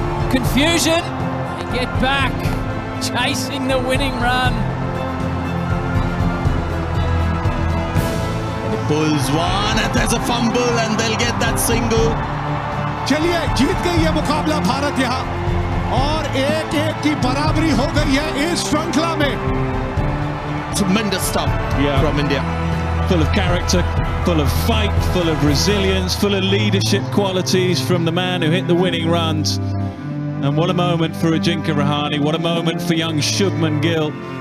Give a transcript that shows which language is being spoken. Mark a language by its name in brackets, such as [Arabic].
[English] Confusion. They get back. Chasing the winning run. The Bulls won and there's a fumble and they'll get that single. [Hindi] चलिए जीत गई है मुकाबला भारत यहां और एक एक की बराबरी हो गई है इस श्रृंखला में. [English] Tremendous stuff from India. Full of character, full of fight, full of resilience, full of leadership qualities from the man who hit the winning runs. And what a moment for Ajinkya Rahane, what a moment for young Shubman Gill.